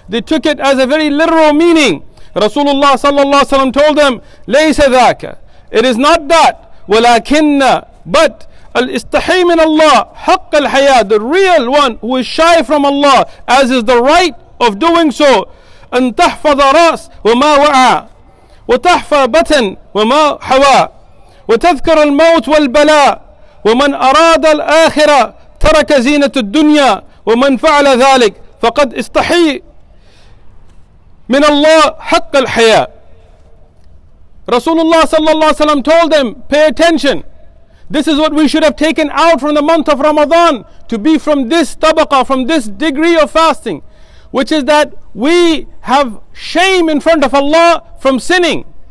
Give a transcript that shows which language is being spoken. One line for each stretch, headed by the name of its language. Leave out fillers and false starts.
English: They took it as a very literal meaning. Rasulullah sallallahu alayhi wa sallam told them,
Arabic: Laysa dhaka,
English: it is not that, walakinna, but
Arabic: الاستحي من الله حق الحياة,
English: the real one who is shy from Allah, as is the right of doing so.
Arabic: أن تحفظ رأس وما وعى وتحفى بطن وما حوى وتذكر الموت والبلاء ومن أراد الآخرة ترك زينة الدنيا ومن فعل ذلك فقد استحي من الله حق الحياة.
English: Rasulullah sallallahu alaihi wasallam told them, pay attention. This is what we should have taken out from the month of Ramadan, to be from this tabaqa, from this degree of fasting, which is that we have shame in front of Allah from sinning.